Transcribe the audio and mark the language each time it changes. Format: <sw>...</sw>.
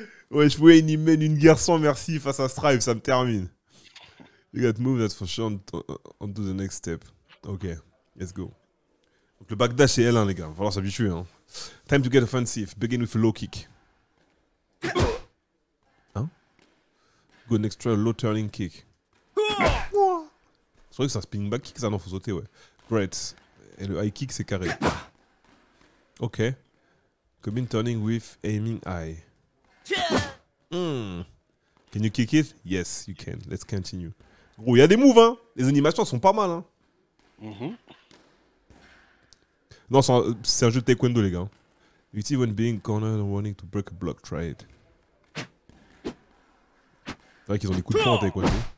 <fr>Wesh, Wayne, il mène une guerre sans merci face à Strive. Ça me termine.</fr> <en>You got move that for sure onto the next step. Ok. Let's go.</en> <fr>Donc le backdash est L1, les gars. Va falloir s'habituer.</fr> <en>Hein. Time to get offensive. Begin with a low kick. Hein? Go next try a low turning kick.</en> <fr>C'est vrai que c'est un spinning back kick, ça. Non, faut sauter, ouais. Great. Et le high kick, c'est carré. Ok.</fr> <en>Combine turning with aiming high. Can you kick it? Yes, you can. Let's continue.</en> <fr>Gros, il y a des moves, hein. Les animations sont pas mal, hein. Non, c'est un jeu de taekwondo, les gars.</fr> <en>You see when being cornered and wanting to break a block, try it.</en> <fr>C'est vrai qu'ils ont des coups de poing en taekwondo.</fr>